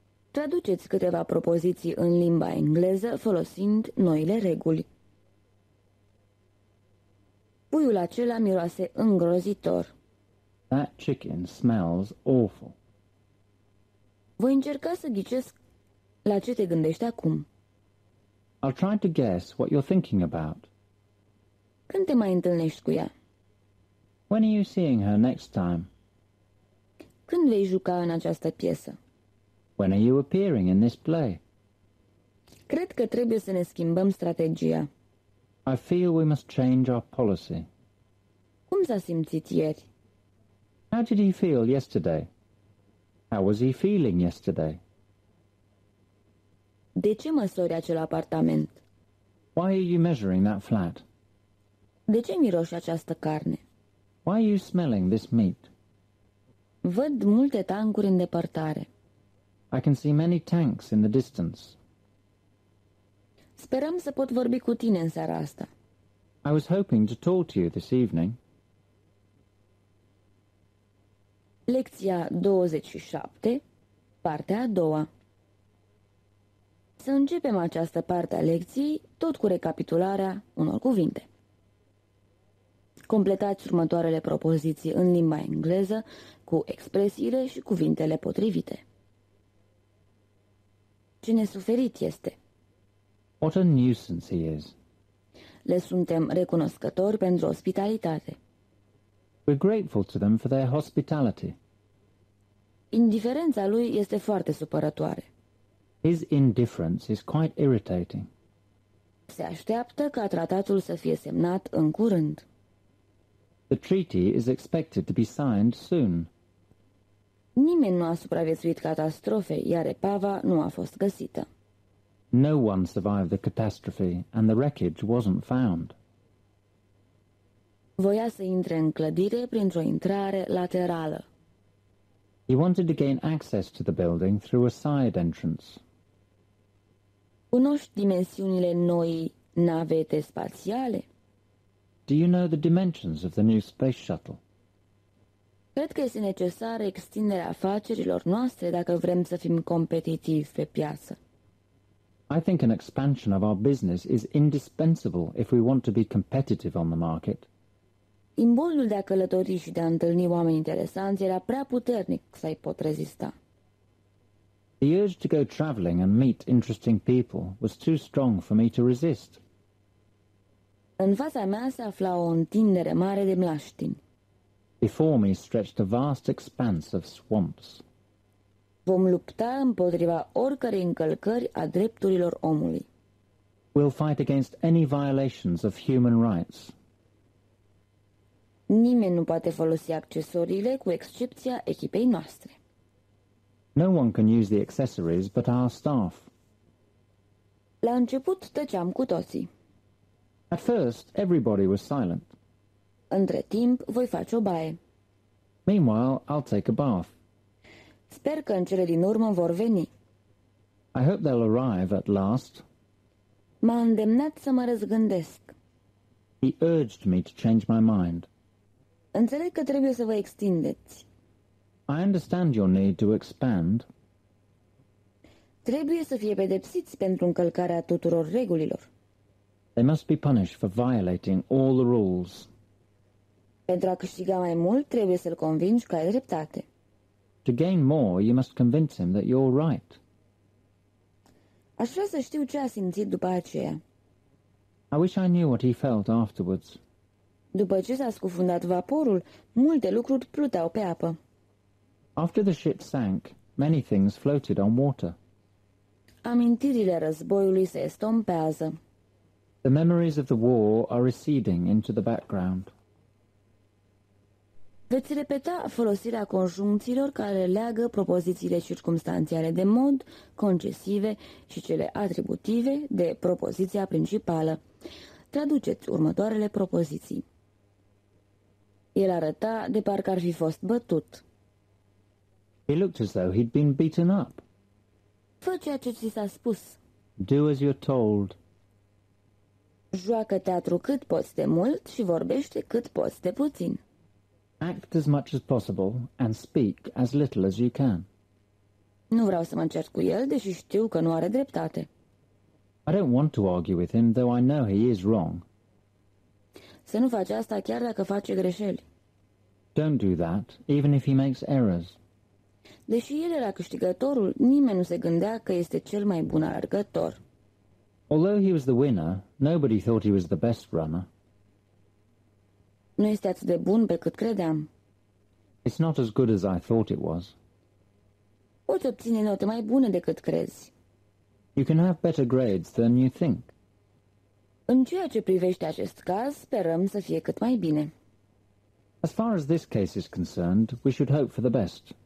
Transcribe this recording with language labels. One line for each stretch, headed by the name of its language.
Romanian: Traduceți câteva propoziții în limba engleză folosind noile reguli. Puiul acela miroase îngrozitor.
English: That chicken smells awful.
Romanian: Voi încerca să ghicesc la ce te gândești acum.
English: I'll try to guess what you're thinking about.
Romanian: Când te mai întâlnești cu ea?
English: When are you seeing her next time?
Romanian: Când vei juca în această piesă?
English: When are you appearing in this play?
Romanian: Cred că trebuie să ne schimbăm strategia.
English: I feel we must change our policy.
Romanian: Cum s-a simțit ieri?
English: How did he feel yesterday? How was he feeling yesterday?
Romanian: De ce măsori acel apartament?
English: Why are you measuring that flat?
Romanian: De ce miroși această carne?
English: Why are you smelling this meat?
Romanian: Văd multe tancuri în depărtare.
English: I can see many tanks in the distance.
Romanian: Sperăm să pot vorbi cu tine în seara asta.
English: I was hoping to talk to you this evening.
Romanian: Lecția 27, partea a doua. Să începem această parte a lecției tot cu recapitularea unor cuvinte. Completați următoarele propoziții în limba engleză cu expresiile și cuvintele potrivite. Ce nesuferit este!
English: What a nuisance he is!
Romanian: Le suntem recunoscători pentru ospitalitate.
English: We're grateful to them for their hospitality.
Romanian: Indiferența lui este foarte supărătoare.
English: His indifference is quite irritating.
Romanian: Se așteaptă ca tratatul să fie semnat în curând.
English: The treaty is expected to be signed soon.
Romanian: Nimeni nu a supraviețuit catastrofei, iar epava nu a fost găsită.
English: No one survived the catastrophe and the wreckage wasn't found.
Romanian: Voia să intre în clădire printr-o intrare laterală.
English: He wanted to gain access to the building through a side entrance.
Romanian: Cunoști dimensiunile noii navete spațiale?
English: Do you know the dimensions of the new space shuttle?
Romanian: Cred că este necesară extinderea afacerilor noastre dacă vrem să fim competitivi pe piață.
English: I think an expansion of our business is indispensable if we want to be competitive on the market.
Romanian: Imboldul de a călători și de a întâlni oameni interesanți era prea puternic să-i pot rezista.
English: The urge to go traveling and meet interesting people was too strong for me to resist.
Romanian: În fața mea se afla o întindere mare de mlaștini.
English: Before me stretched a vast expanse of swamps.
Romanian: Vom lupta împotriva oricărei încălcări a drepturilor omului.
English: We'll fight against any violations of human rights.
Romanian: Nimeni nu poate folosi accesoriile cu excepția echipei noastre.
English: No one can use the accessories but our staff.
Romanian: La început tăceam cu toții.
English: At first, everybody was silent.
Romanian: Între timp, voi face o baie.
English: Meanwhile, I'll take a bath.
Romanian: Sper că în cele din urmă vor veni.
English: I hope they'll arrive at last.
Romanian: M-a îndemnat să mă răzgândesc.
English: He urged me to change my mind.
Romanian: Înțeleg că trebuie să vă extindeți.
English: I understand your need to expand.
Romanian: Trebuie să fie pedepsiți pentru încălcarea tuturor regulilor.
English: They must be punished for violating all the rules.
Romanian: Pentru a câștiga mai mult, trebuie să-l convingi că ai dreptate.
English: To gain more, you must convince him that you're right.
Romanian: Aș vrea să știu ce a simțit după aceea.
English: I wish I knew what he felt afterwards.
Romanian: După ce s-a scufundat vaporul, multe lucruri pluteau pe apă.
English: After the ship sank, many things floated on water.
Romanian: Amintirile războiului se estompează.
English: The memories of the war are receding into the background.
Romanian: Veți repeta folosirea conjuncțiilor care leagă propozițiile circumstanțiale de mod, concesive și cele atributive de propoziția principală. Traduceți următoarele propoziții. El arăta de parcă ar fi fost bătut.
English: He looked as though he'd been beaten up.
Romanian: Fă ceea ce ți s-a spus.
English: Do as you're told.
Romanian: Joacă teatru cât poți de mult și vorbește cât poți de puțin.
English: Act as much as possible and speak as little as you can.
Romanian: Nu vreau să mă încerc cu el, deși știu că nu are dreptate.
English: I don't want to argue with him, though I know he is wrong.
Romanian: Să nu faci asta chiar dacă face greșeli.
English: Don't do that, even if he makes errors.
Romanian: Deși el era câștigătorul, nimeni nu se gândea că este cel mai bun alergător.
English: Although he was the winner, nobody thought he was the best runner.
Romanian: Nu este atât de bun pe cât credeam.
English: It's not as good as I thought it was.
Romanian: Poți obține note mai bune decât crezi.
English: You can have better grades than you think.
Romanian: În ceea ce privește acest caz, sperăm să fie cât mai bine.
English: As far as this case is concerned, we should hope for the best.